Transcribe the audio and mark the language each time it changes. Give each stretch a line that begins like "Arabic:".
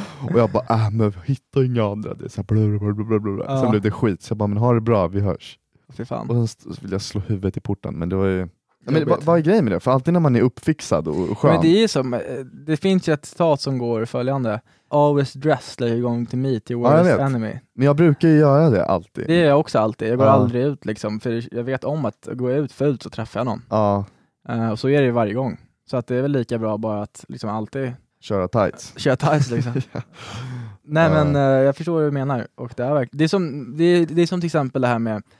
Swedish: Och jag bara, men jag hittar inga andra. Det är så här, blablabla. Sen blev det skit. Så jag bara, men ha det bra, vi hörs. Fy fan. Och så vill jag slå huvudet i porten. Men det var ju... Men, vad är grejen med det? För alltid när man är uppfixad och skön. Men det är ju som, det finns ju ett citat som går följande.
English: Always dress like you're going to meet your worst enemy.
Swedish: Men jag brukar ju göra det alltid. Det gör jag också alltid. Jag går aldrig ut liksom. För jag vet om att gå ut fullt så träffar jag någon. Och så är det ju varje gång. Så att det är väl lika bra bara att liksom alltid... Köra tights. Köra tights liksom. Nej, men jag förstår vad du menar. Och det är verkligen... Det är som till exempel det här med...